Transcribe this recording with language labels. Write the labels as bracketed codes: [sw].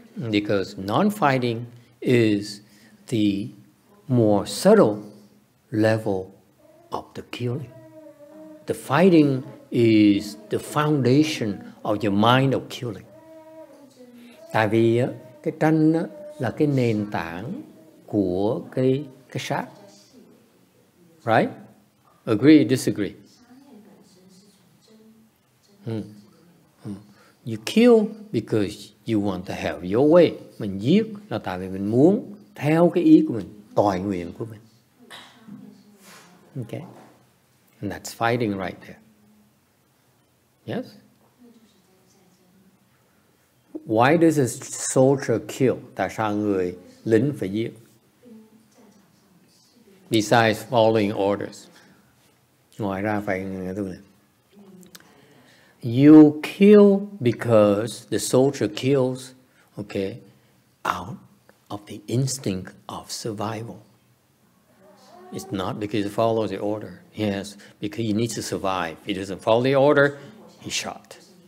[en] Because non-fighting is the more subtle level of the killing. The fighting is the foundation of your mind of killing. [vi] Tại vì cái tranh là cái nền tảng của cái sát. [en] Right? Agree, disagree. You kill because you want to have your way. [vi] Mình giết là tại vì mình muốn theo cái ý của mình, tòi nguyện của mình. [en] Okay. And that's fighting right there. Yes? Why does a soldier kill? [vi] Tại sao người lính phải giết? [en] Besides following orders. [vi] Ngoài ra phải nghe tôi này. [en] You kill because the soldier kills, okay, out of the instinct of survival. It's not because he follows the order. Yes, because he needs to survive. If he doesn't follow the order, he's shot.